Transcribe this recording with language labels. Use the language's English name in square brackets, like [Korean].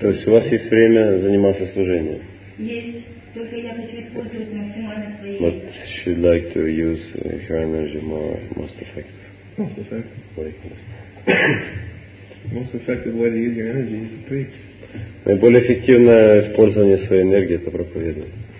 [Russian] То есть у вас есть время заниматься служением? Есть. [English] But she'd like to use her energy most effectively. Most effective way to use your energy is to preach. [Russian] Наиболее эффективное использование своей энергии это проповедовать.